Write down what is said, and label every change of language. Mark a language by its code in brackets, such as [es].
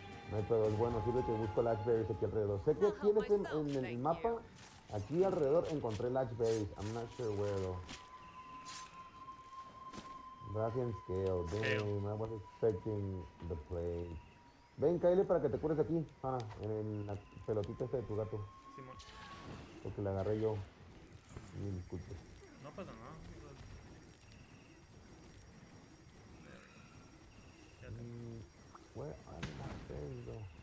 [es] No hay pedo, es bueno, sirve que busco Latch Berries aquí alrededor. Sé que tienes en el mapa, aquí alrededor encontré Latch Berries. [en] I'm not sure where though. Dragon Scale, damn, I was expecting the play. [es] Ven, cáile para que te cures aquí, en la pelotita esta de tu gato. Simón. Porque la agarré yo. Me disculpe. No pasa nada. [en] Where are my berries, bro?